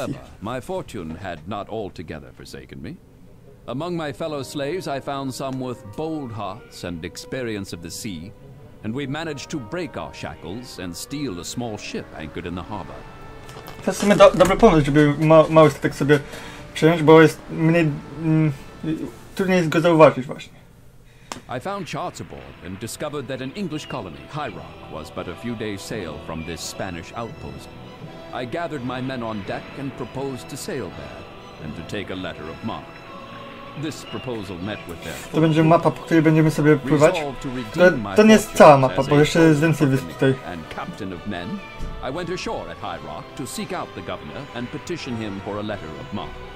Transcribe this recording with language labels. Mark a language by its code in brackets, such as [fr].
[en] However, my fortune had not altogether forsaken me. Among my fellow slaves, I found some with bold hearts and experience of the sea, and we managed to break our shackles and steal a small ship anchored in the harbor. [pl] To jest w sumie dobry pomysł, żeby mały statek sobie przyjąć, bo jest mniej... trudniej jest go zauważyć właśnie. [en] I found charts aboard and discovered that an English colony, High Rock, was but a few days' sail from this Spanish outpost. I gathered my men on deck and proposed to sail there and to take a letter of mark. This proposal met with them. [pl] To będzie mapa, po której będziemy sobie pływać. To nie jest cała mapa, bo jeszcze jest więcej wysp tutaj. [en] And captain of men, I went ashore at High Rock to seek out the governor and petition him for a letter of mark.